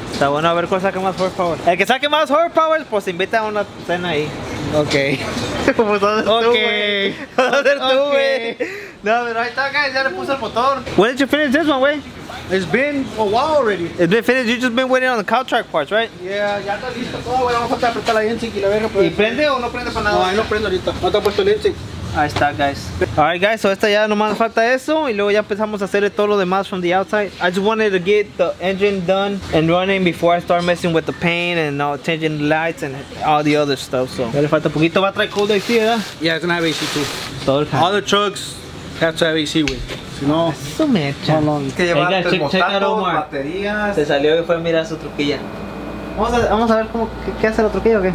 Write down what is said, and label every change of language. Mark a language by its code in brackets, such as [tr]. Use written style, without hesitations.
[es] Está bueno, a ver cuál saque más horsepower. El que saque más horsepower, pues invita a una cena ahí. Ok. Pues vas a ser okay. Tú, güey. Vas a ser okay. Tú, güey. No, pero ahí está, guys. Ya le puse el motor. [en] When did you finish this one, güey? It's been a while already. It's been finished. You've just been waiting on the contract parts, right? [es] Yeah, ya está listo todo, güey. Vamos a poder apretar la intake y la verga. ¿Y prende o no prende para nada? No, ahí no prendo ahorita. No te ha puesto el intake. Ahí está, guys. [en] All right, guys, so [es] esta ya nomás falta eso y luego ya empezamos a hacerle todo lo demás [en] from the outside. I just wanted to get the engine done and running before I start messing with the paint and all changing the lights and all the other stuff, so. [es] Ya le falta poquito, va a traer cold AC, ¿verdad? [en] Yeah, it's gonna have AC too. [es] Todo el carro. [en] All the trucks have to have AC, güey. [es] No, eso me echa. No, no. Es que llevaba termostatos, baterías. Se salió y fue a mirar su truquilla. Vamos a ver cómo, qué hace la truquilla, ¿o qué?